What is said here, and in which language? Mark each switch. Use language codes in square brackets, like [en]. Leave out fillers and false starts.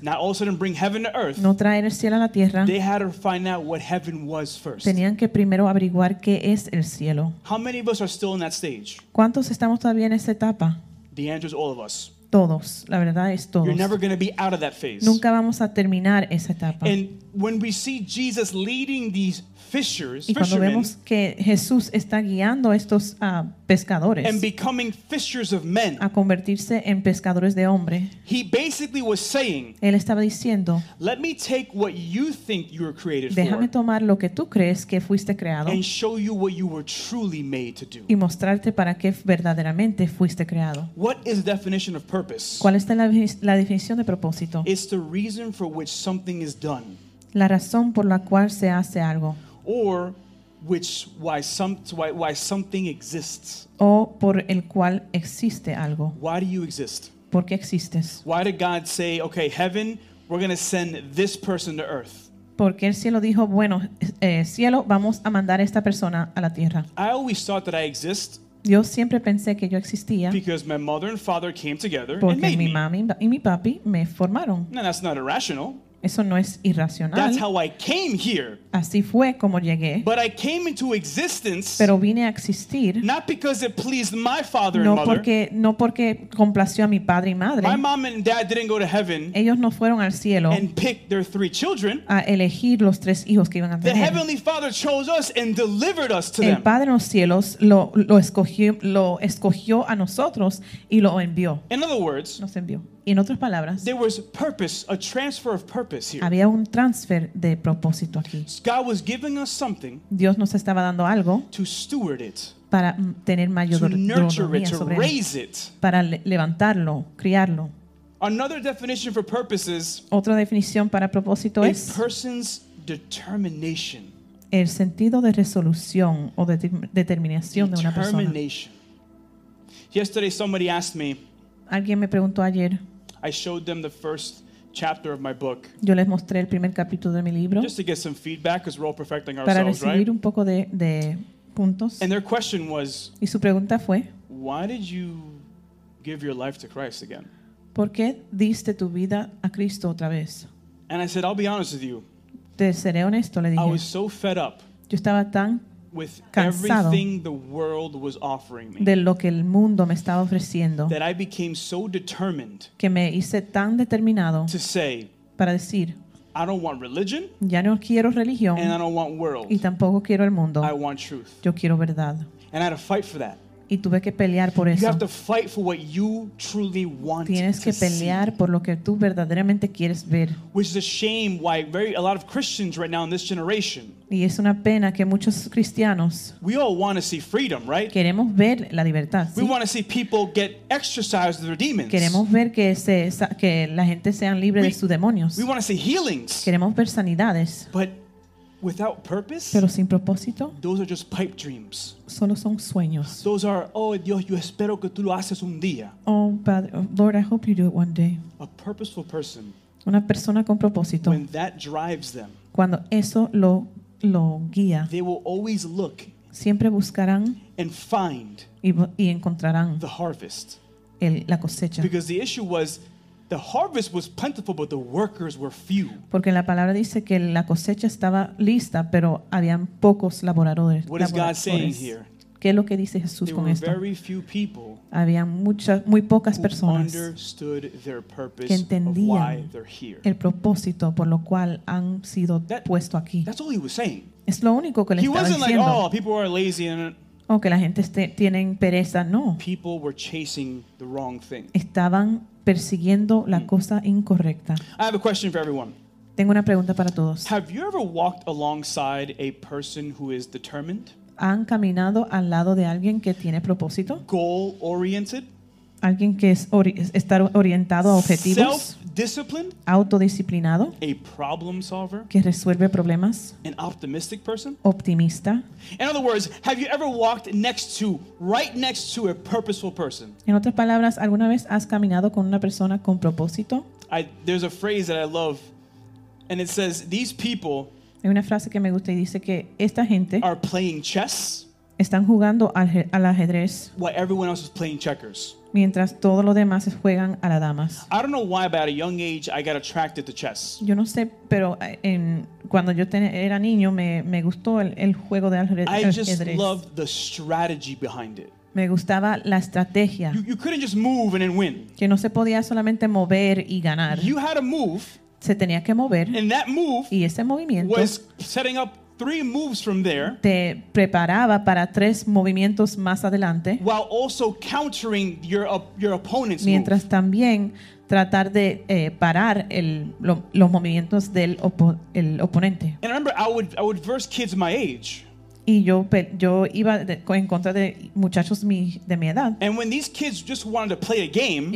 [en] Not all of a sudden bring heaven to earth. [es] No traer el cielo a la tierra. [en] They had to find out what heaven was first. [es] Tenían que primero averiguar qué es el cielo. [en] How many of us are still in that stage? [es] ¿Cuántos estamos todavía en esa etapa? [en] The answer is all of us. [es] Todos, la verdad es todos. [en] You're never going to be out of that phase. [es] Nunca vamos a terminar esa etapa. [en] And when we see Jesus leading these fishers, [es] y cuando [en] fishermen, [es] vemos que Jesús está guiando a estos pescadores, [en] and becoming fishers of men, [es] a convertirse en pescadores de hombre, [en] he basically was saying, [es] él estaba diciendo, [en] let me take what you think you were created for, [es] déjame tomar lo que tú crees que fuiste creado, [en] and show you what you were truly made to do, [es] y mostrarte para qué verdaderamente fuiste creado. [en] What is the definition of purpose? [es] ¿Cuál está la definición de propósito? [en] It's the reason for which something is done. [es] La razón por la cual se hace algo. [en] Or which why something exists. [es] O por el cual existe algo. [en] Why do you exist? [es] ¿Por qué existes? [en] Why did God say, okay, heaven, we're going to send this person to earth? [es] Porque el cielo dijo, bueno, cielo, vamos a mandar a esta persona a la tierra. [en] I always thought that I exist. [es] Yo siempre pensé que yo existía. [en] Because my mother and father came together. [es] Porque [en] and made [es] mi mami [en] me. [es] Y mi papi me formaron. [en] No, that's not irrational. [es] Eso no es irracional. [en] That's how I came here. [es] Así fue como llegué. [en] But I came into existence. [es] Pero vine a existir. [en] Not because it pleased my father [es] no [en] and mother. [es] No porque complació a mi padre y madre. [en] My mom and dad didn't go to heaven. [es] Ellos no fueron al cielo. [en] And pick their three children. [es] A elegir los tres hijos que iban a tener. [en] The heavenly father chose us and delivered us to [es] el [en] them. [es] El padre en los cielos lo escogió a nosotros y lo envió. [en] In other words, [es] nos envió. Y en otras palabras, [en] there was purpose, a transfer of purpose here. [es] Había un transfer de propósito aquí. [en] God was giving us something. [es] Dios nos estaba dando algo. [en] To steward it. [es] Para tener mayor autonomía sobre él. [en] To raise it. [es] Para levantarlo, criarlo. [en] Another definition for purpose is. [es] Otra definición para propósito es. [en] A person's determination. [es] El sentido de resolución o de determinación de una persona. [en] Yesterday somebody asked me. [es] Alguien me preguntó ayer. [en] I showed them the first chapter of my book. [es] Yo les mostré el primer capítulo de mi libro. [en] Just to get some feedback, because we're all perfecting [es] para [en] ourselves, [es] recibir [en] right? [es] Un poco de puntos. [en] And their question was. [es] Y su pregunta fue. [en] Why did you give your life to Christ again? [es] ¿Por qué diste tu vida a Cristo otra vez? [en] And I said, I'll be honest with you. [es] Te seré honesto, le dije. [en] I was so fed up. [es] Yo estaba tan [en] with everything the world was offering me, [es] de lo que el mundo me estaba ofreciendo, [en] that I became so determined, [es] que me hice tan determinado, [en] to say, [es] para decir, [en] I don't want religion, [es] ya no quiero religión, [en] and I don't want world, [es] y tampoco quiero el mundo, [en] I want truth, [es] yo quiero verdad, [en] and I had to fight for that, [es] y tuve que pelear por eso. [en] You have to fight for what you truly want to see, [es] tienes que pelear por lo que tú verdaderamente quieres ver, [en] which is a shame why a lot of Christians right now in this generation. [es] Y es una pena que muchos cristianos, [en] we all want to see freedom, right? [es] Queremos ver la libertad, ¿sí? [en] We want to see people get exercised with their demons. [es] Queremos ver que la gente sean libre de sus demonios. [en] We want to see healings. [es] Queremos ver sanidades. [en] But without purpose, [es] pero sin propósito, [en] those are just pipe dreams. [es] Solo son sueños. [en] Those are, [es] oh Dios, yo espero que tú lo haces un día. Oh Padre, [en] Lord, I hope you do it one day. A purposeful person. [es] Una persona con propósito. [en] When that drives them. [es] Cuando eso lo guía. [en] They will always look. [es] Siempre buscarán. [en] And find. [es] Y encontrarán. [en] The harvest. [es] La cosecha. [en] Because the issue was. The harvest was plentiful, but the workers were few. [es] Porque la palabra dice que la cosecha estaba lista, pero habían pocos laboradores. [en] What is God saying here? [es] ¿Qué es lo que dice Jesús con esto? [en] There were very few people. [es] Había muchas, muy pocas personas. [en] Understood their purpose. [es] Que entendían [en] of why they're here. [es] El propósito por lo cual han sido puesto aquí. [en] That's all he was saying. [es] Es lo único que le estaba diciendo. [en] He wasn't like, oh, people are lazy and. [es] O que la gente tiene pereza, no. [en] People were chasing the wrong thing. [es] Estaban persiguiendo la cosa incorrecta. [en] I have a question for everyone. [es] Tengo una pregunta para todos. [en] Have you ever walked alongside a person who is determined? [es] ¿Han caminado al lado de alguien que tiene propósito? [en] Goal oriented? [es] ¿Alguien que es estar orientado a objetivos? [en] Self-disciplined? [es] Autodisciplinado. [en] A problem solver? [es] Que resuelve problemas. [en] An optimistic person? [es] Optimista. [en] In other words, have you ever walked right next to a purposeful person? [es] En otras palabras, ¿alguna vez has caminado con una persona con propósito? [en] There's a phrase that I love, and it says, these people [es] hay una frase que me gusta y dice que esta gente [en] are playing chess. [es] están jugando al ajedrez. [en] While everyone else is playing checkers. [es] Mientras todos los demás juegan a las damas. [en] I don't know why, but at a young age, I got attracted to chess. [es] Yo no sé, pero cuando yo era niño, me gustó el juego de ajedrez. [en] I just loved the strategy behind it. [es] Me gustaba la estrategia. [en] You couldn't just move and then win. [es] Que no se podía solamente mover y ganar. [en] You had to move. [es] Se tenía que mover. [en] And that move. [es] Y ese movimiento [en] was setting up three moves from there. [es] Te preparaba para tres movimientos más adelante. [en] While also countering your opponent's move. [es] Mientras también tratar de parar los movimientos del el oponente. [en] And remember, I would verse kids my age. [es] Y yo iba en contra de muchachos de mi edad. [en] And when these kids just wanted to play a game,